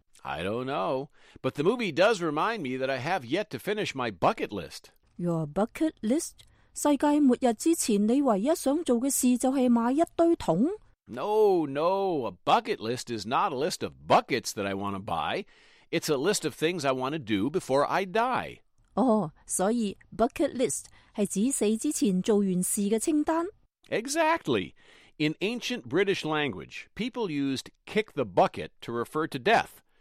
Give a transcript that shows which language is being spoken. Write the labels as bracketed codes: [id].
[en] I don't know, but the movie does remind me that I have yet to finish my bucket list. Your bucket list? [zh] 世界末日之前你唯一想做的事就是买一堆桶？ [en] No, no, a bucket list is not a list of buckets that I want to buy. It's a list of things I want to do before I die. [zh] 所以 bucket list 是指死之前做完事的清单。 [en] Exactly. In ancient British language, people used kick the bucket to refer to death.